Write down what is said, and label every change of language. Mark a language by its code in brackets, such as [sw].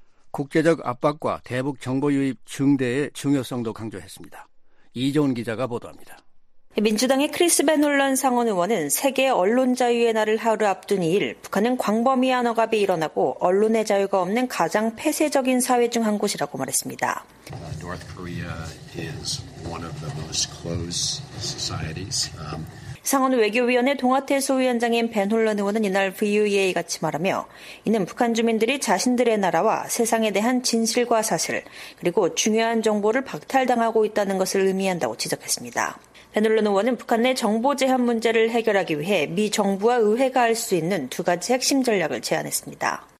[ko] 국제적 압박과 대북 정보 유입 증대의 중요성도 강조했습니다. 이종훈 기자가 보도합니다. 민주당의 크리스 벤 홀런 상원 의원은 세계 언론 자유의 날을 하루 앞둔 이일 북한은 광범위한 억압이 일어나고 언론의 자유가 없는 가장 폐쇄적인 사회 중 한 곳이라고 말했습니다. [en] North Korea is one of the most closed societies. [ko] 상원 외교위원회 동아태 소위원장인 벤 홀런 의원은 이날 VOA 같이 말하며 이는 북한 주민들이 자신들의 나라와 세상에 대한 진실과 사실 그리고 중요한 정보를 박탈당하고 있다는 것을 의미한다고 지적했습니다. 벤 홀런 의원은 북한 내 정보 제한 문제를 해결하기 위해 미 정부와 의회가 할 수 있는 두 가지 핵심 전략을 제안했습니다.